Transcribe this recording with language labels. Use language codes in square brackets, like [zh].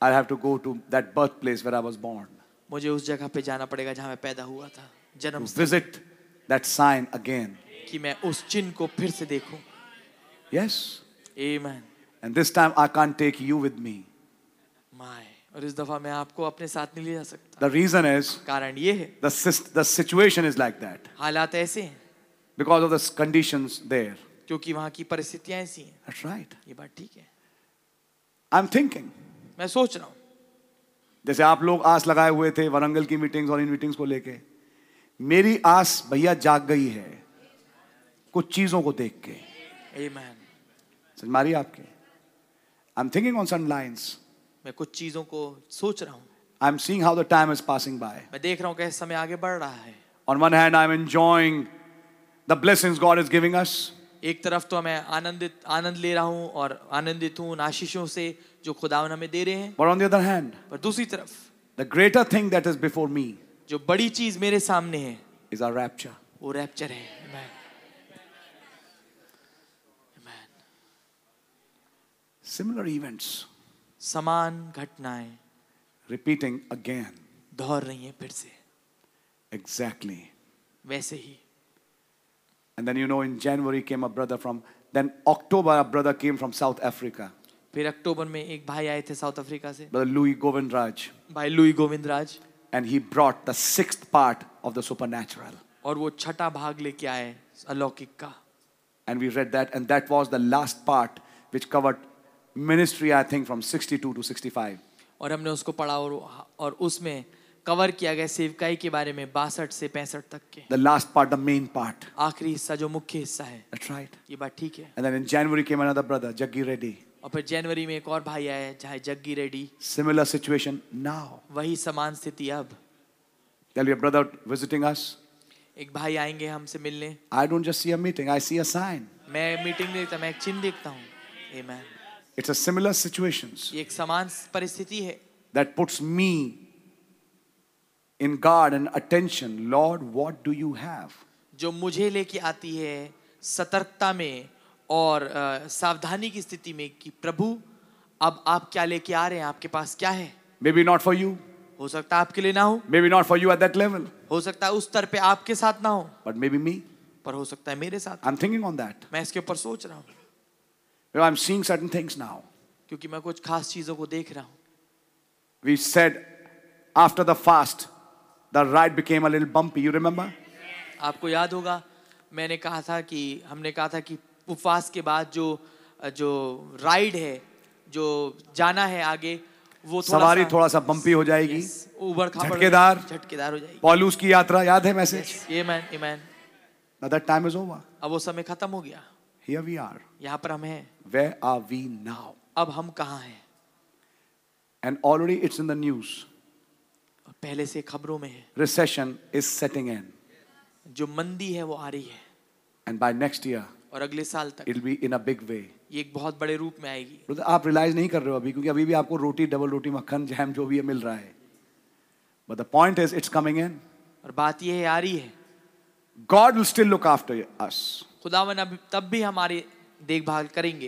[en] I'll have to go to that birthplace where I was born. [hi] मुझे उस जगह पे जाना पड़ेगा जहाँ मैं पैदा हुआ था, जन्म. [en] Visit that sign again. [hi] कि मैं उस चिन्ह को फिर से देखूं. [en] Yes. Amen. And this time I can't take you with me. My. [hi] और इस दफा मैं आपको अपने साथ नहीं ले जा सकता. [en] The reason is, [hi] कारण ये है, [en] the situation is like that. [hi] हालात ऐसे हैं. [en] Because of the conditions there. [hi] क्योंकि वहाँ की परिस्थितियाँ ऐसी हैं. [en] That's right. [hi] ये बात ठीक है. [en] I'm thinking. [hi] मैं सोच रहा हूँ. जैसे आप लोग आस लगाए हुए थे वरंगल की मीटिंग्स और इन मीटिंग्स को लेके, मेरी आस भैया जाग गई है कुछ चीजों को देख के. [en] Amen. [hi] समझ मारी आपके. [en] I'm thinking on some lines. [hi] मैं कुछ चीजों को सोच रहा हूँ. [en] I'm seeing how the time is passing by. [hi] मैं देख रहा हूँ कि समय आगे बढ़ रहा है. [en] On one hand, I'm enjoying the blessings God is giving us. [hi] एक तरफ तो मैं आनंद ले रहा हूँ और आनंदित हूँ आशीषों से जो खुदावन हमें दे रहे हैं. [en] But on the other hand, [hi] पर दूसरी तरफ, [en] the greater thing that is before me, [hi] जो बड़ी चीज मेरे सामने है, [en] is our rapture. [hi] वो rapture है. [en] Amen. Amen. Similar events. [hi] समान घटनाएं. [en] Repeating again. [hi] दोहर रही है फिर से. [en] Exactly. [hi] वैसे ही. [en] And then you know, in January came a brother from. Then October, a brother came from South Africa. [hi] फिर अक्टूबर में एक भाई आए थे साउथ अफ्रीका से. [en] Brother Louis Govindraj. [hi] भाई Louis Govindraj. [en] And he brought the sixth part of the supernatural. [hi] और वो छठा भाग लेके आए अलौकिक का. [en] And we read that, and that was the last part which covered ministry, I think, from 62 to 65. [hi] और हमने उसको पढ़ा और उसमें कवर किया गया सेवकाई के बारे में 62 से 65 तक के. [en] The last part, the main part. [hi] आखिरी हिस्सा जो मुख्य हिस्सा है. [en] That's right. [hi] ये बात ठीक है. [en] And then in January came another brother, Jaggi Reddy. [hi] और फिर जनवरी में एक और भाई आया चाहे Jaggi Reddy. [en] Similar situation now. [hi] वही समान स्थिति अब. [en] There'll be a brother visiting us. [hi] एक भाई आएंगे हमसे मिलने. [en] I don't just see a meeting, I see a sign. [hi] मैं मीटिंग देखता, मैं एक चिन्ह देखता हूँ. [en] Amen. It's a similar situations. [hi] एक समान परिस्थिति है. [en] That puts me in guard and attention. Lord, what do you have? [hi] जो मुझे लेके आती है सतर्कता में और सावधानी की स्थिति में कि प्रभु अब आप क्या लेके आ रहे हैं, आपके पास क्या है. Maybe not for you. हो सकता आपके लिए ना हो. Maybe not for you at that level. हो सकता उस स्तर पे आपके साथ ना हो. But maybe me. पर हो सकता है मेरे साथ. I'm thinking on that. मैं इसके ऊपर सोच रहा हूँ. Well, I'm seeing certain things now. क्योंकि मैं कुछ खास चीजों को देख रहा हूँ. We said after the fast, the ride became a little bumpy. You remember? आपको याद होगा मैंने कहा था कि हमने कहा था कि उपवास के बाद जो जो राइड है जो जाना है आगे वो सवारी थोड़ा सा बंपी हो जाएगी. झटकेदार झटकेदार हो जाएगी. पॉलूस की यात्रा याद है message. Amen amen. [en] Now that time is over. [hi] अब वो समय खत्म हो गया. [en] Here we are. [hi] यहां पर हम हैं. [en] Where are we now. [hi] अब हम कहां हैं. [en] And already it's in the news. [hi] पहले से खबरों में है. [en] Recession is setting in. [hi] जो मंदी है वो आ रही है. [en] And by next year. [hi] और अगले साल तक. [en] It'll be in a big way. [hi] ये एक बहुत बड़े रूप में आएगी. Brother, आप रियलाइज नहीं कर रहे हो अभी क्योंकि अभी भी आपको रोटी डबल रोटी मक्खन जैम जो भी है मिल रहा है. [en] But the point is, it's coming in. [hi] और बात ये है आ रही है. [en] God will still look after us. [hi] खुदावन तब भी हमारी देखभाल करेंगे.